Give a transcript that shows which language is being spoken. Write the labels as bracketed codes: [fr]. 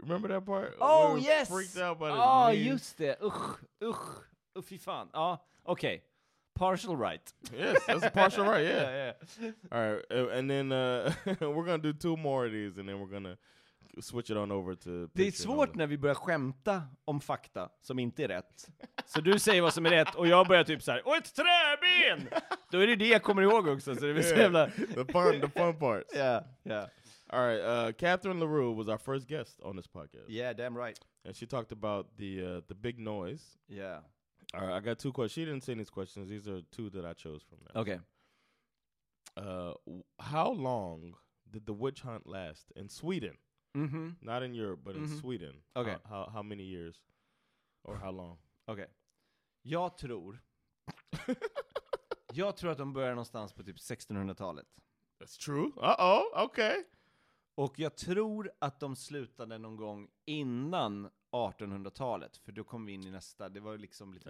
[en] Remember that part? Oh, where yes! Freaked out by his knee. Oh, [sv] just det. [en] Ugh. Uffy fan. Oh, okay. Partial right. Yes, that's a partial right, yeah. Yeah. All right, and then we're going to do two more of these, and then we're going to switch it on over to... [sv] Det är svårt när vi börjar skämta om fakta som inte är rätt. Så du säger vad som är rätt, och jag börjar typ så här, och ett träben! Då är det det jag kommer ihåg också, så det blir så jävla... [en] The fun parts. Yeah, yeah. All right, Catherine LaRue was our first guest on this podcast. Yeah, damn right. And she talked about the big noise. Yeah. All right, I got two questions. She didn't say any questions. These are two that I chose from them. Okay. How long did the witch hunt last in Sweden? Mm-hmm. Not in Europe, but mm-hmm. in Sweden. Okay. How many years or how long? Okay. [sv] Jag tror att de började någonstans på typ 1600-talet. [en] That's true. Uh-oh, okay. [sv] Och jag tror att de slutade någon gång innan 1800-talet, för då kom vi in i nästa. Det var liksom lite